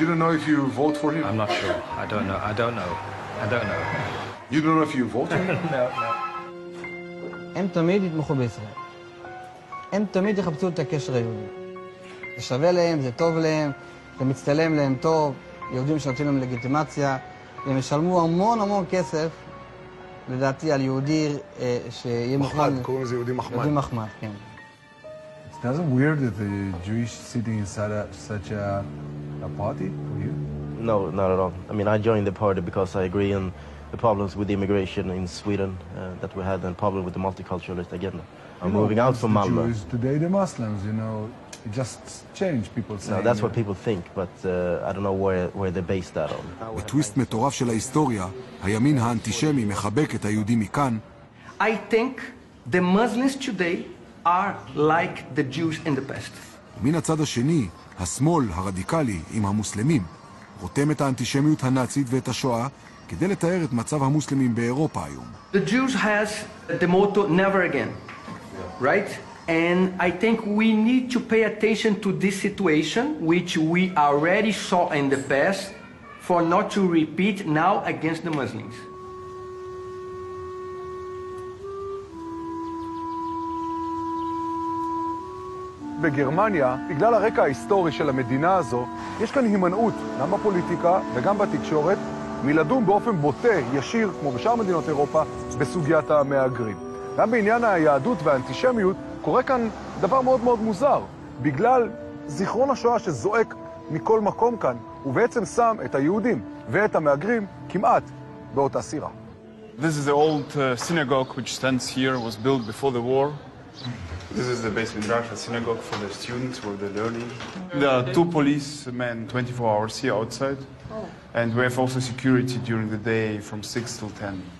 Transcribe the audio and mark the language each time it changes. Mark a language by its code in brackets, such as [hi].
[en] You don't know if you vote for him? I'm not sure. I don't know. You don't know if you vote for him? No. [he] הם תמיד יתמכו בישראל. הם תמיד יחפשו את הקשר היהודי. זה שווה להם, זה טוב להם, זה מצטלם להם טוב, יהודים שנותנים להם לגיטימציה, הם ישלמו המון המון כסף, לדעתי, על יהודי שיהיה מוכן... מחמד, קוראים לזה יהודי מחמד. יהודי מחמד, כן. [en] Isn't it weird that the Jewish sitting inside a, such a party for you? No, not at all. I mean, I joined the party because I agree on the problems with immigration in Sweden that we had and problem with the multiculturalist agenda. I'm moving out from Malmö. Jews, today the Muslims, you know, it just changed people's saying. No, that's what people think, but I don't know where they're based that on. A twist [he] מטורף של ההיסטוריה, הימין האנטישמי מחבק את היהודים מכאן. [en] I think the Muslims today are like the Jews in the past. [he] מן הצד השני, השמאל הרדיקלי עם המוסלמים רותם את האנטישמיות הנאצית ואת השואה כדי לתאר את מצב המוסלמים באירופה היום. [en] The Jews has the motto never again, right? And I think we need to pay attention to this situation which we already saw in the past for not to repeat now against the Muslims. [he] בגרמניה, בגלל הרקע ההיסטורי של המדינה הזו, יש כאן הימנעות, גם בפוליטיקה וגם בתקשורת, מלדון באופן בוטה, ישיר, כמו בשאר מדינות אירופה, בסוגיית המאגרים. גם בעניין היהדות והאנטישמיות, קורה כאן דבר מאוד מאוד מוזר, בגלל זיכרון השואה שזועק מכל מקום כאן, ובעצם שם את היהודים ואת המאגרים כמעט באותה סירה. [en] This is the old synagogue which stands here, was built before the war. This is the basement drive, a synagogue for the students, for the learning. There are two policemen 24 hours here outside. And we have also security during the day from 6 till 10.